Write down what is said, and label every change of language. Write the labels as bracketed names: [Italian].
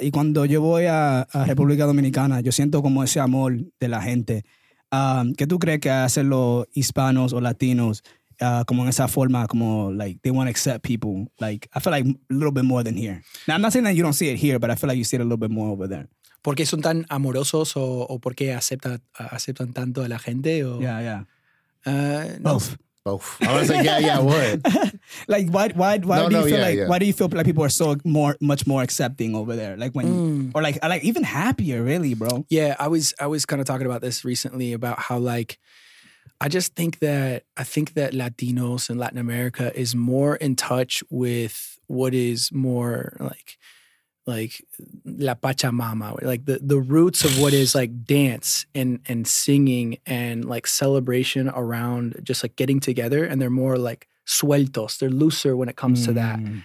[Spanish] Y cuando yo voy a República Dominicana, yo siento como ese amor de la gente. ¿Qué tú crees que hacen los hispanos o latinos? Como en esa forma, como [English] like they want to accept people. Like, I feel like a little bit more than here. Now, I'm not saying that you don't see it here, but I feel like you see it a little bit more over there. [Spanish] ¿Por qué son tan amorosos o por qué aceptan tanto a la gente? O? [English] Yeah, yeah. Both. No. Both. I was like, yeah, what? Like, why do you feel like people are so much more accepting over there? Like, when, or like even happier, really, bro. Yeah, I was kind of talking about this recently about how, like, I think that Latinos in Latin America is more in touch with what is more like la Pachamama, like the roots of what is like dance and singing and like celebration around just like getting together, and they're more like sueltos, they're looser when it comes to that.